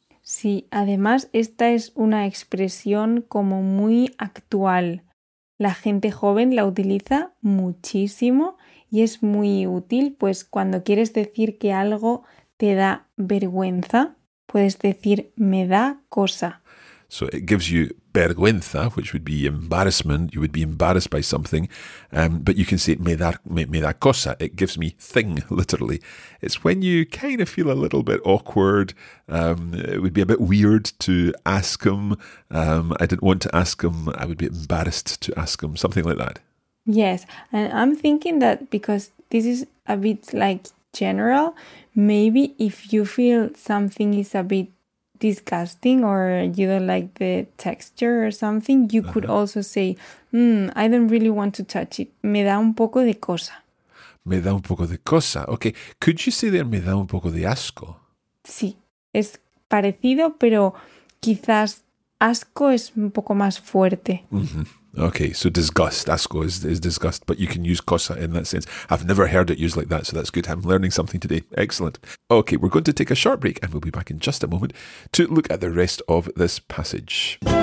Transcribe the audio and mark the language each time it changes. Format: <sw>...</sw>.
<es>Sí, además esta es una expresión como muy actual. La gente joven la utiliza muchísimo y es muy útil, pues cuando quieres decir que algo te da vergüenza, puedes decir me da cosa.</es> <en>So it gives you vergüenza, which would be embarrassment. You would be embarrassed by something. But you can say</en> <es>me da cosa.</es> <en>It gives me thing, literally. It's when you kind of feel a little bit awkward. It would be a bit weird to ask him. I didn't want to ask him. I would be embarrassed to ask him. Something like that. Yes. And I'm thinking that because this is a bit like general, maybe if you feel something is a bit disgusting or you don't like the texture or something, you could also say, I don't really want to touch it.</en> <es>Me da un poco de cosa. Me da un poco de cosa. Okay.</es> <en>Could you say there,</en> <es>me da un poco de asco? Sí. Es parecido, pero quizás asco es un poco más fuerte.</es> <en>Mm-hmm. Okay. So disgust. Asco is disgust, but you can use cosa in that sense. I've never heard it used like that, so that's good. I'm learning something today. Excellent. Okay. We're going to take a short break and we'll be back in just a moment to look at the rest of this passage.</en>